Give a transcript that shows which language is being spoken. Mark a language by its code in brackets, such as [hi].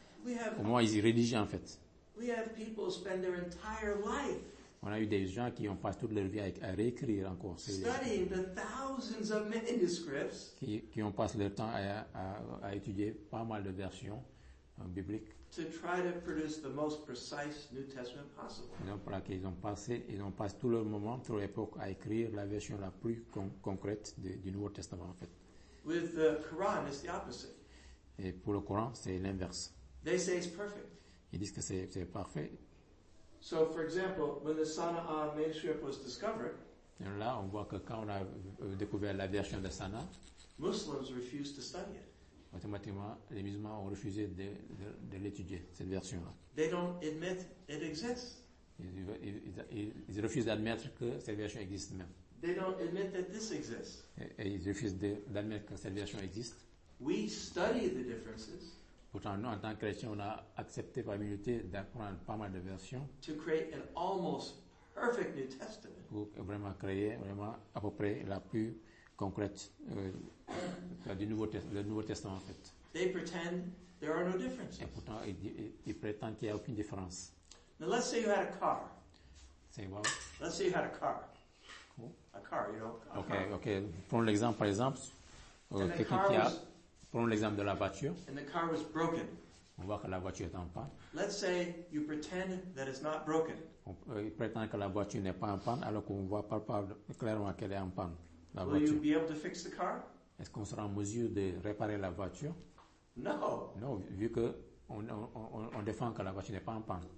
[en] we have, [fr] au moment où ils rédigeaient en fait. [en] We have people spend their entire life [fr] on a eu des gens qui ont passé toute leur vie à réécrire encore [en] studying the thousands of manuscripts [fr] qui ont passé leur temps à étudier pas mal de versions bibliques [en] to try to produce the most precise New Testament possible. [fr] Donc pour laquelle ils ont passé tout leur moment, toute l'époque à écrire la version la plus concrète du Nouveau Testament en fait. [en] With the Quran, it's the opposite. [fr] Et pour le Coran, c'est l'inverse. [en] They say it's perfect. [fr] Ils disent que c'est parfait. [en] So, for example, when the Sana'a manuscript was discovered, [fr] et là, on voit que quand on a découvert la version de Sana'a, [en] Muslims refused to study it. [fr] Automatiquement, les musulmans ont refusé de l'étudier, cette version-là. [en] They don't admit it exists. [fr] Ils refusent d'admettre que cette version existe même. [en] They don't admit that this exists. [fr] Et ils refusent d'admettre que cette version existe. [en] We study the differences. [fr] Pourtant, nous, en tant que chrétiens, on a accepté par humilité d'apprendre pas mal de versions [en] to create an almost perfect New Testament. [fr] Pour vraiment créer vraiment à peu près la plus concrète du Nouveau Testament, en fait. [en] They pretend there are no differences. [fr] Et pourtant, ils prétendent qu'il n'y a aucune différence. [en] Now, let's say you had a car. Say what? Let's say you had a car. Cool. A car, you know. Okay, car. Okay. [fr] Prenons l'exemple, par exemple, quelqu'un qui a... Prenons l'exemple de la voiture. [en] And the car was broken. [fr] On voit que la voiture est en panne. [en] Let's say you pretend that it's not broken. [fr] On prétend que la voiture n'est pas en panne alors qu'on voit pas clairement qu'elle est en panne. La [en] Will [fr] voiture. [en] You be able to fix the car? [fr] Est-ce qu'on sera en mesure de réparer la voiture? [en] No. [fr] Non, vu que on défend que la voiture n'est pas en panne.